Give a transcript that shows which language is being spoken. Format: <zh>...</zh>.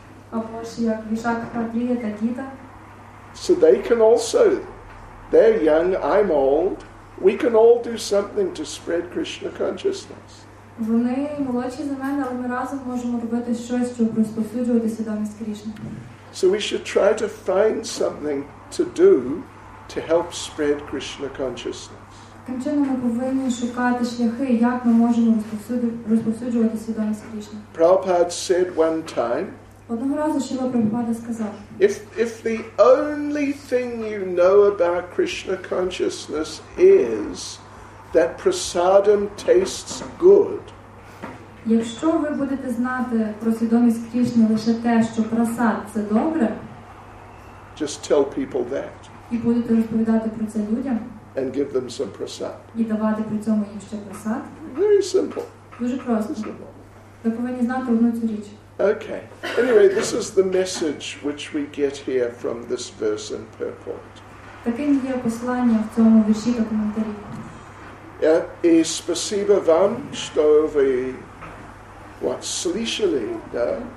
<uk>Або ж як Вишакхаприя та Гита.</uk> <en>So they can also, they're young, I'm old. We can all do something to spread Krishna consciousness.</en> <uk>Вони молодші за мене, але ми разом можемо робити щось, щоб розповсюджувати свідомість Кришни.</uk> <en>So we should try to find something to do to help spread Krishna consciousness.</en> <uk>Таким чином ми повинні шукати шляхи, як ми можемо розповсюджувати свідомість Кришни.</uk> <en>Prabhupada said one time,</en> <uk>одного разу Шіла Прабхупада сказав,</uk> <en>if the only thing you know about Krishna consciousness is that prasadam tastes good.</en> <uk>Якщо ви будете знати про свідомість Кришни лише те, що прасад це добре,</uk> <en>just tell people that.</en> <uk>І будете розповідати про це людям.</uk> <en>And give them some prasad.</en> <uk>І давати при цьому їм ще прасад.</uk> <en>Very simple.</en> <uk>Дуже просто.</uk> <en>Very simple.</en> <uk>Ви повинні знати одну цю річ.</uk> <en>Okay. Anyway, this is the message which we get here from this verse in purport.</en> <uk>Таким є послання в цьому вірші та коментарі.</uk> <ru>И спасибо вам, что вы вот слышали, да?</ru>